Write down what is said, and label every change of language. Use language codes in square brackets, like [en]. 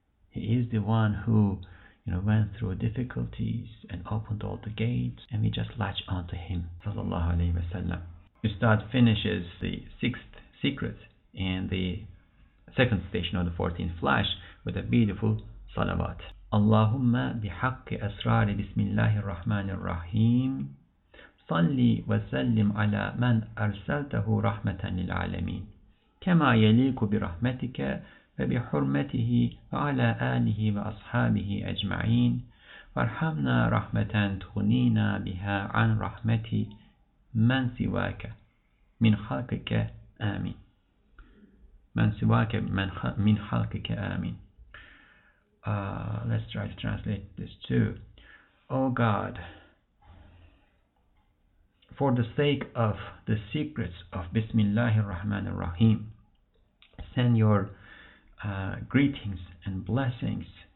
[en] He is the one who, you know, went through difficulties and opened all the gates, and we just latch onto him. Sallallahu alaihi wasallam. Ustad finishes the sixth secret in the second station of the 14th flash with a beautiful salawat. [ar] اللهم بحق أسرار بسم الله الرحمن الرحيم صلي وسلم على من أرسلته رحمة للعالمين كما يليق برحمتك وبحرمته وعلى آله وأصحابه أجمعين وارحمنا رحمة تغنينا بها عن رحمة من سواك من خلقك آمين من سواك من خلقك آمين. [en] Let's try to translate this too. Oh God, for the sake of the secrets of Bismillahirrahmanirrahim, send your greetings and blessings